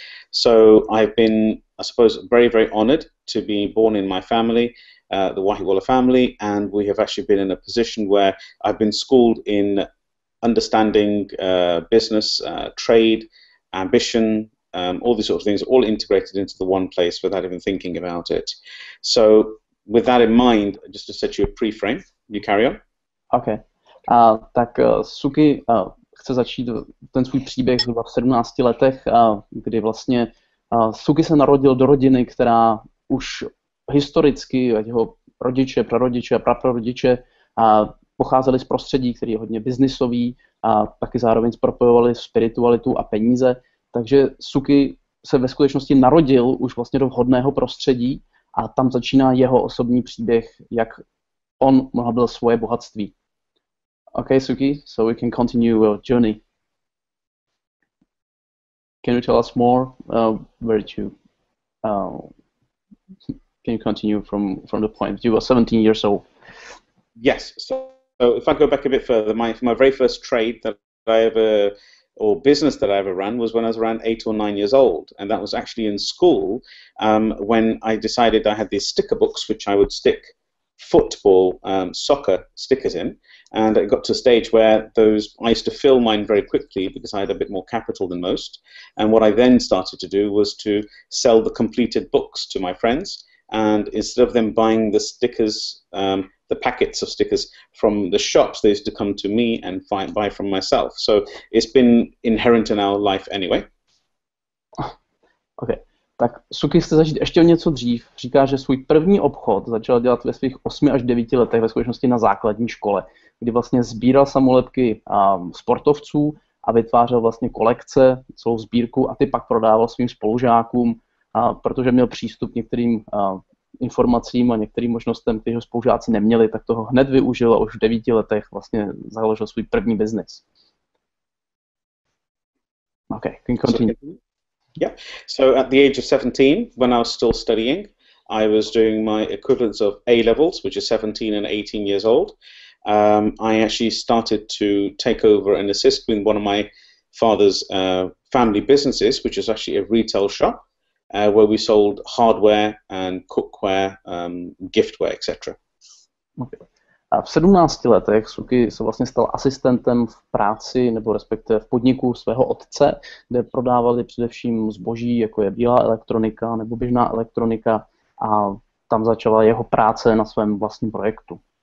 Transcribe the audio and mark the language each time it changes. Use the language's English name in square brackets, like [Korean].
[English] So I've been, I suppose, very, very honored to be born in my family, the Wahiwala family, and we have actually been in a position where I've been schooled in understanding business, trade, ambition, all these sorts of things, all integrated into the one place without even thinking about it. So with that in mind, just to set you a pre-frame, you carry on. Okay. [Czech] Tak Suky chce začít ten svůj příběh zhruba v 17 letech, kdy vlastně Suky se narodil do rodiny, která už historicky, jeho rodiče, prarodiče a praprarodiče pocházeli z prostředí, který je hodně biznisový a taky zároveň spropojovali spiritualitu a peníze. Takže Suky se ve skutečnosti narodil už vlastně do vhodného prostředí a tam začíná jeho osobní příběh, jak on mohl byl svoje bohatství. [English] OK, Suky, so we can continue your journey. Can you tell us more? Where did you... can you continue from the point? You were 17 years old. Yes, so if I go back a bit further, my very first trade that I ever, or business that I ever ran, was when I was around 8 or 9 years old, and that was actually in school when I decided I had these sticker books which I would stick football, soccer stickers in, and it got to a stage where those I used to fill mine very quickly because I had a bit more capital than most, and what I then started to do was to sell the completed books to my friends, and instead of them buying the stickers, the packets of stickers from the shops, they used to come to me and buy from myself. So it's been inherent in our life anyway. Okay. [Czech] Tak Suky chce začít ještě o něco dřív. Říká, že svůj první obchod začal dělat ve svých 8 až 9 letech ve skutečnosti na základní škole, kdy vlastně sbíral samolepky sportovců a vytvářel vlastně kolekce, celou sbírku a ty pak prodával svým spolužákům, protože měl přístup některým informacím a některým možnostem, které ho spolužáci neměli, tak toho hned využil a už v 9 letech vlastně založil svůj první biznis. [English] OK, can continue. Yeah. So at the age of 17, when I was still studying, I was doing my equivalents of A levels, which is 17 and 18 years old. I actually started to take over and assist with one of my father's family businesses, which is actually a retail shop, where we sold hardware and cookware, giftware, etc. Okay. [Czech] A v 17 letech Suky se vlastně stal asistentem v práci nebo respektive v podniku svého otce, kde prodávali především zboží, jako je bílá elektronika nebo běžná elektronika, a tam začala jeho práce na svém vlastním projektu.